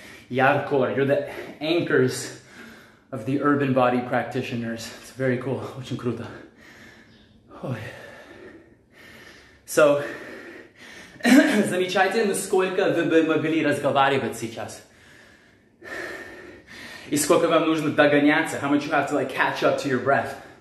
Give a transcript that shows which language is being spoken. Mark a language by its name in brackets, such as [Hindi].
[English] You're the anchors of the urban body practitioners. It's very cool. [Russian] Очень круто. [English] Oh, yeah. [Russian] So, замечайте, насколько вы бы могли разговаривать сейчас. И сколько вам нужно догоняться. [English] How much you have to like catch up to your breath.